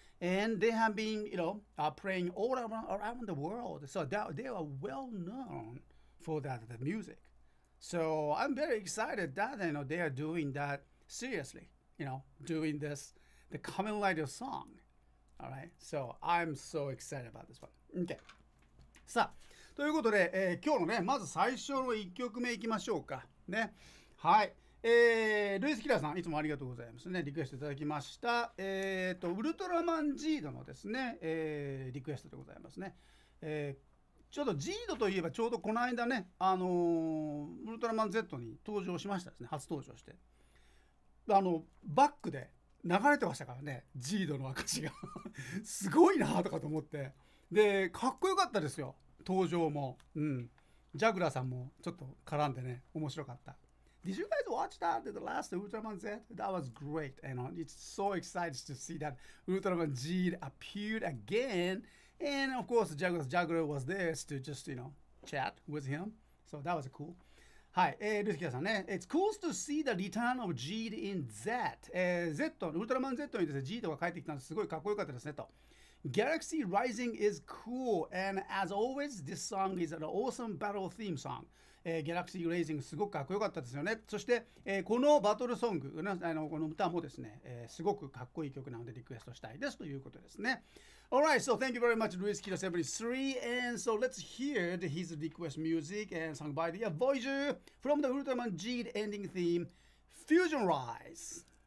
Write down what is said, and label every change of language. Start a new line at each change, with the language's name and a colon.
English: And they have been, you know, playing all around the world. So they are well known for the music. So I'm very excited that, you know, they are doing that seriously, you know, doing this, the Kamen Rider song. All right. So I'm so excited about this one. Okay.
Japanese: さあ、ということで、今日のね、まず最初の1曲目いきましょうか。ね。はい。ルイス・キラーさん、いつもありがとうございますね。リクエストいただきました。ウルトラマン・ジードのですね、リクエストでございますね。ちょっとジードといえば、ちょうどこの間ね、ウルトラマン Z に登場しましたですね、初登場して。あの、バックで流れてましたからね、ジードの証が。すごいなとかと思って。で、かっこよかったですよ、登場も。うん。ジャグラーさんもちょっと絡んでね、面白かった。
English: Did you guys watch that, the last Ultraman Z? That was great. And you know, it's so exciting to see that Ultraman Z appeared again. And of course, Jaguar was there to just, you know, chat with him. So that was cool. Hi, Ryusuke-san. It's cool to see the return of Z in Z.
Japanese: Ultraman Z にですね、 Z が帰ってきたのすごいかっこよかったですねと。
English: Galaxy Rising is cool. And as always, this song is an awesome battle theme song.
Japanese: ギャラクシー・レイジングすごくかっこよかったですよね。そして、このバトルソング、この歌もですね、すごくかっこいい曲なのでリクエストしたいですということですね。
English: Alright, so thank you very much, Luis Kira 73. And so let's hear his request music and song by the Voyager from the Ultraman Jeed ending theme, Fusion Rise.